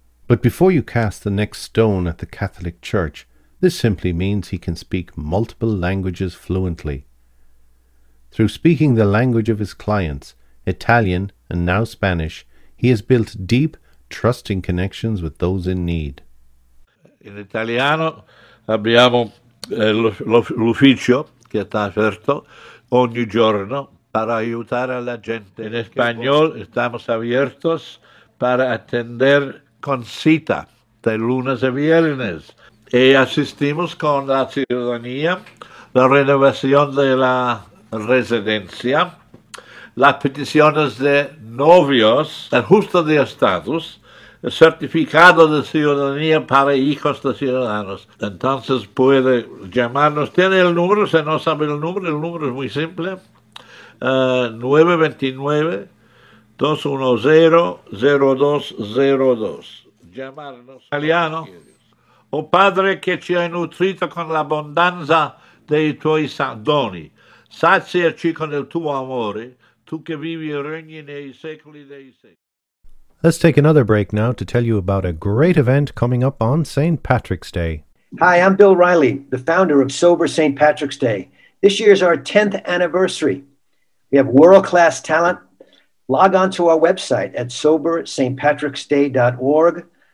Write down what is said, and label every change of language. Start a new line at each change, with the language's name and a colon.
English: But before you cast the next stone at the Catholic Church, this simply means he can speak multiple languages fluently. Through speaking the language of his clients, Italian and now Spanish, he has built deep, trusting connections with those in need.
Italian: In Italiano abbiamo l'ufficio che sta aperto ogni giorno para aiutare la gente.
Spanish: In español estamos abiertos para atender con cita de lunes a viernes. Y asistimos con la ciudadanía, la renovación de la residencia, las peticiones de novios, ajuste de estatus, el certificado de ciudadanía para hijos de ciudadanos. Entonces puede llamarnos. ¿Tiene el número? ¿Se no sabe el número? El número es muy simple. 9-29, 2-1-0-0-2-0-2.
Italian: Giamarlo italiano. O Padre che ci hai nutrito con l'abbondanza dei tuoi doni, saziaci con il tuo amore, tu che vivi e regni nei secoli dei secoli.
English: Let's take another break now to tell you about a great event coming up on St. Patrick's Day. Hi, I'm Bill Riley, the founder of Sober St. Patrick's Day. This year is our 10th anniversary. We have world-class talent. Log on to our website at SoberStPatricksDay.org.